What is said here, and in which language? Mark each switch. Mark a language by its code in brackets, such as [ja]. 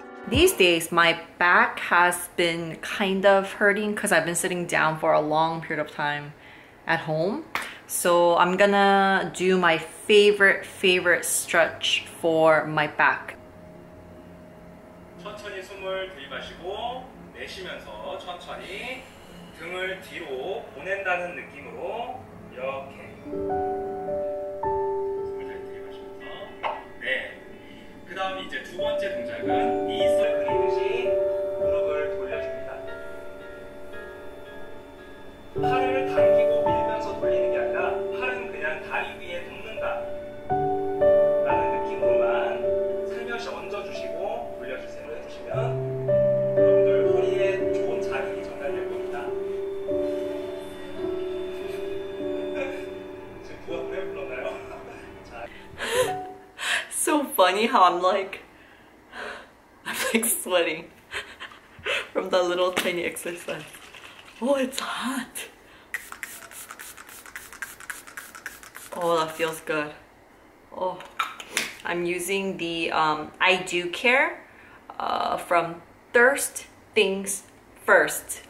[en] These days, my back has been kind of hurting because I've been sitting down for a long period of time at home. So I'm gonna do my favorite stretch for my back. [ko] 천천히 숨을 들이마시고 내쉬면서 천천히 등을 뒤로 보낸다는 느낌으로 이렇게 숨을 잘 들이마시면서 네. 그다음 이제 두 번째 동작은 이 서클 듯이 무릎을 돌려줍니다. 팔을 당기고 밀면서 돌리는 게 아니라 팔은 그냥 다리 위에 돕는다 라는 느낌으로만 살며시 얹어주시고 돌려주세요. 해주시면 여러분들 허리에 좋은 자극이 전달될 겁니다. 지금 누가 노래 불렀나요? [en] So funny how I'm like sweating from that little tiny exercise. Oh, it's hot. Oh, that feels good. Oh, I'm using the I Do Care from Thirst Things First.